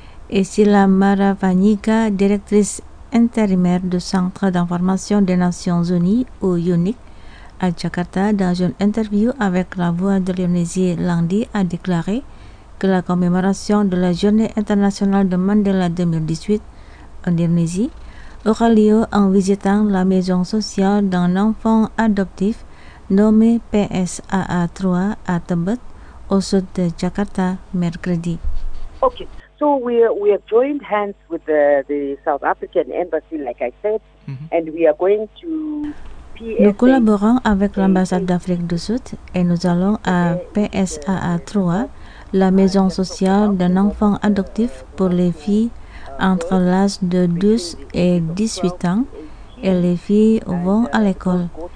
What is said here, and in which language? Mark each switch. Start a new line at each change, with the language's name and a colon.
French: Et Sila Maravanyika, directrice intérimaire du Centre d'information des Nations unies, ou UNIC, à Jakarta, dans une interview avec la Voix de l'Indonésie lundi, a déclaré que la commémoration de la Journée internationale de Mandela 2018 en Indonésie aura lieu en visitant la maison sociale d'un enfant adoptif nommé PSAA3 à Tebet, au sud de Jakarta, mercredi.
English: Okay, so we have joined hands with the South African embassy, like I said, and we are going to.
French: Nous collaborons avec l'ambassade d'Afrique du Sud et nous allons à PSAA3. La maison sociale d'un enfant adoptif pour les filles entre l'âge de 12 et 18 ans, et les filles vont à l'école.